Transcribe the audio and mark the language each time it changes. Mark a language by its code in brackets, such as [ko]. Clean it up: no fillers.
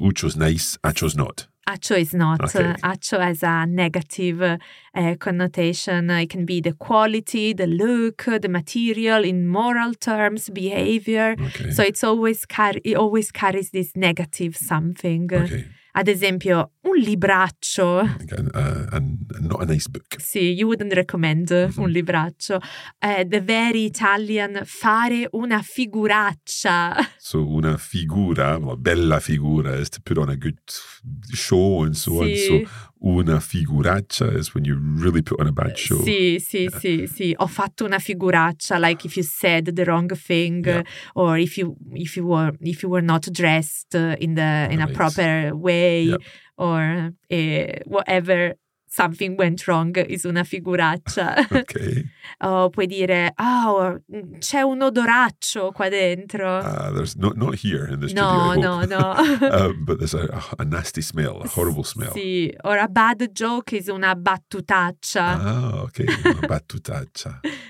[en] Uccio's nice, accio's not. Accio is not. Okay. Accio has a negative connotation. It can be the quality, the look, the material, in moral terms, behavior. Okay. So it always carries this negative something. Okay. [it] ad esempio un libraccio. [en] Not a nice book. Sì, you wouldn't recommend un libraccio. The very Italian, [it] fare una figuraccia. [en] So una figura, una bella figura, is to put on a good show and so on. So una figuraccia is when you really put on a bad show. [it] Sì. Ho fatto una figuraccia, [en] like if you said the wrong thing, yeah. Or if you were not dressed in a proper way. Yep. Or whatever, something went wrong, is una figuraccia. Okay. [it] Oh, puoi dire, oh, c'è un odoraccio qua dentro. [en] There's not here in this No. but there's a nasty smell, a horrible smell. Sì, or a bad joke is una battutaccia. Ah, okay, una battutaccia.